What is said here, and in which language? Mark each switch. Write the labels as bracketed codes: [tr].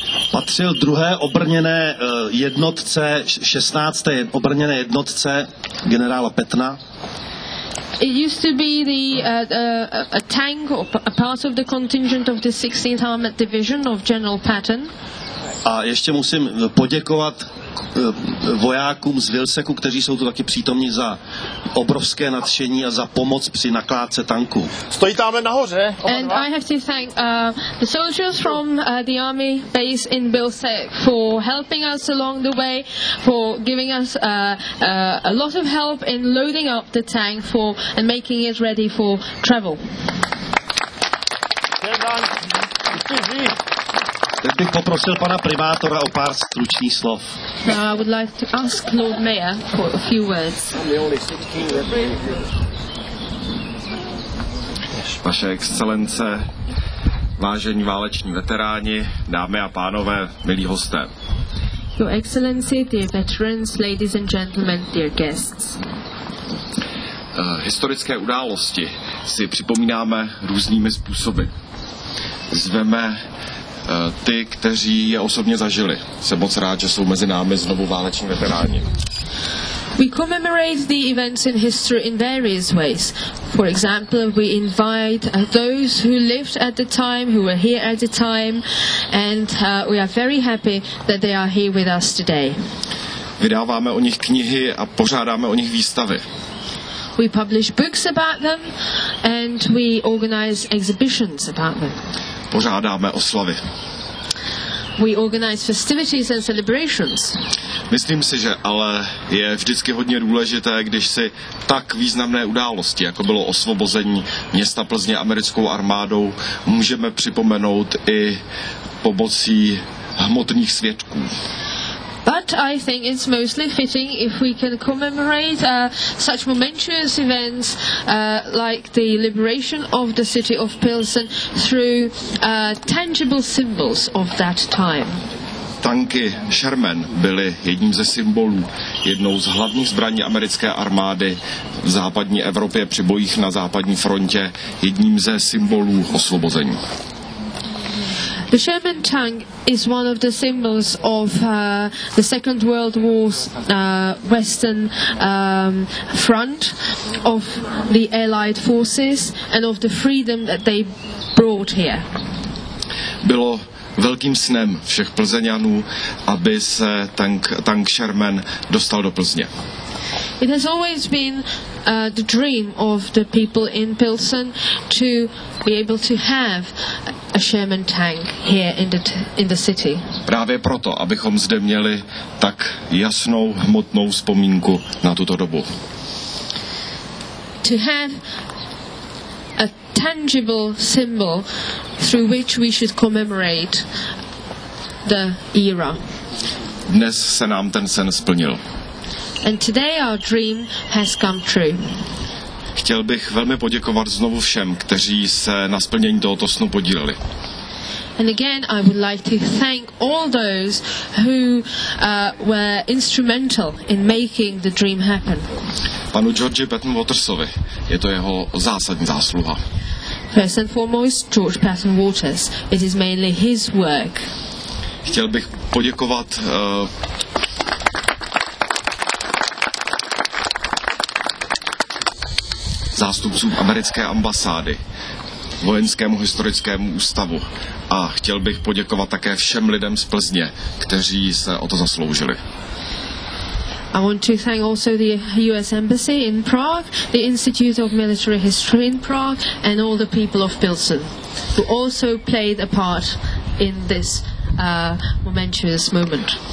[cs] Patřil druhé obrněné jednotce, 16. obrněné jednotce generála Petna. [en] It used to be the a tank or a part of the contingent of the 16th Armored Division of General Patton. [cs] A ještě musím poděkovat vojákům z Vilseku, kteří jsou tu taky přítomní, za obrovské nadšení a za pomoc při nakládce tanku. Stojí tamhle nahoře. [en] And I have to thank the soldiers from the army base in Vilsek for helping us along the way, for giving us a lot of help in loading up the tank for and making it ready for travel. [cs] Teď bych poprosil pana primátora o pár stručných slov. [en] Now I would like to ask Lord Mayor for a few words. [cs] Vaše excelence, vážení váleční veteráni, dámy a pánové, milí hosté. [en] Your excellency, dear veterans, ladies and gentlemen, dear guests. [cs] Historické události si připomínáme různými způsoby. Zveme ty, kteří je osobně zažili. Jsem moc rád, že jsou mezi námi znovu váleční veteráni. [en] We commemorate the events in history in various ways. For example, we invite those who lived at the time, who were here at the time, and we are very happy that they are here with us today. [cs] Vydáváme o nich knihy a pořádáme o nich výstavy. [en] We publish books about them and we organize exhibitions about them. [cs] Pořádáme oslavy. [en] We organize festivities and celebrations. [cs] Myslím si, že ale je vždycky hodně důležité, když si tak významné události, jako bylo osvobození města Plzně americkou armádou, můžeme připomenout i pomocí hmotných svědků. [en] But I think it's mostly fitting if we can commemorate such momentous events like the liberation of the city of Pilsen through tangible symbols of that time. [cs] Tanky Sherman byly jedním ze symbolů, jednou z hlavních zbraní americké armády v západní Evropě při bojích na západní frontě, jedním ze symbolů osvobození. [en] The Sherman tank is one of the symbols of the Second World War's Western front of the Allied forces and of the freedom that they brought here. [cs] Bylo velkým snem všech Plzeňanů, aby se tank Sherman dostal do Plzně. [en] It has always been the dream of the people in Pilsen to be able to have a Sherman tank here in the city. [cs] Právě proto, abychom zde měli tak jasnou hmotnou vzpomínku na tuto dobu. [en] To have a tangible symbol through which we should commemorate the era. [cs] Dnes se nám ten sen splnil. [en] And today our dream has come true. [cs] Chtěl bych velmi poděkovat znovu všem, kteří se na splnění tohoto snu podíleli. [en] And again I would like to thank all those who were instrumental in making the dream happen. [cs] Panu George Patton Watersovi, je to jeho zásadní zásluha. [en] First and foremost, George Patton Waters, it is mainly his work. [cs] Chtěl bych poděkovat zástupcům americké ambasády, vojenskému historickému ústavu a chtěl bych poděkovat také všem lidem z Plzně, kteří se o to zasloužili. [en] I want to thank also the US Embassy in Prague, the Institute of Military History in Prague, and all the people of Pilsen, who also played a part in this momentous moment.